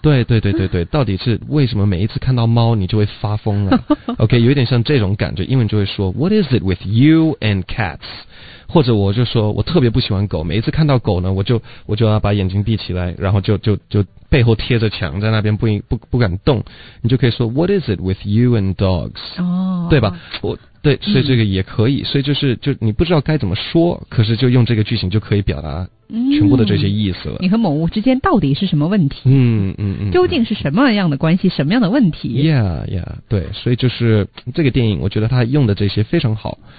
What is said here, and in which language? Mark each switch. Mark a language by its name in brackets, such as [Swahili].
[Chinese] 对对对对对，到底是为什么每一次看到猫你就会发疯啊OK， 有点像这种感觉，英文就会说 [English] What is it with you and cats？ [Chinese] 或者我就说我特别不喜欢狗，每一次看到狗呢，我就要把眼睛闭起来，然后就背后贴着墙在那边不敢动。你就可以说 [English] What is it with you and dogs？ [Chinese] 对吧？对，所以这个也可以。所以就你不知道该怎么说，可是就用这个句型就可以表达全部的这些意思了。你和某物之间到底是什么问题？究竟是什么样的关系？什么样的问题？Yeah， 对，所以就是这个电影，我觉得他用的这些非常好。